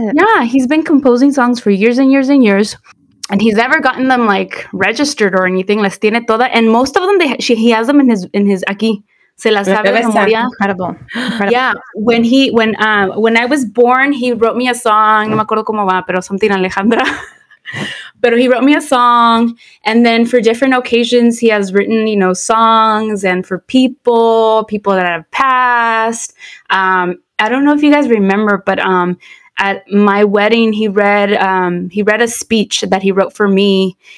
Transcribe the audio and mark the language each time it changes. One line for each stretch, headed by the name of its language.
English: Yeah, he's been composing songs for years and years and years, and he's never gotten them like registered or anything.
Spanish: Las tiene toda,
English: and most of them he has them in his aquí.
Spanish: Se las sabe de memoria.
English: Incredible. Yeah, when I was born, he wrote me a song.
Spanish: No me acuerdo cómo va, pero
English: something
Spanish: Alejandra.
English: But he wrote me a song, and then for different occasions, he has written, you know, songs, and for people that have passed. I don't know if you guys remember, but at my wedding, he read a speech that he wrote for me.